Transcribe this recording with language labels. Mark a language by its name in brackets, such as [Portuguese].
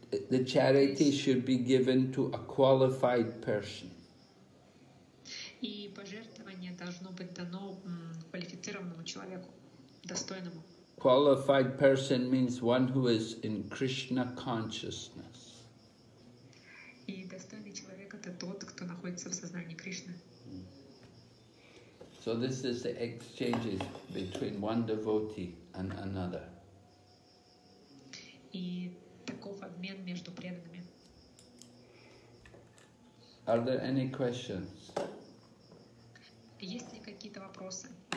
[English] The charity should be given to a qualified person. [Russian] И пожертвование должно быть дано квалифицированному человеку, достойному. [English] Qualified person means one who is in Krishna consciousness. [Russian] И достойный человек это тот, кто находится в сознании Кришны. [English] So this is the exchanges between one devotee and another. [Russian] И таков обмен между преданными. [English] Are there any questions? [Russian] Есть ли какие-то вопросы?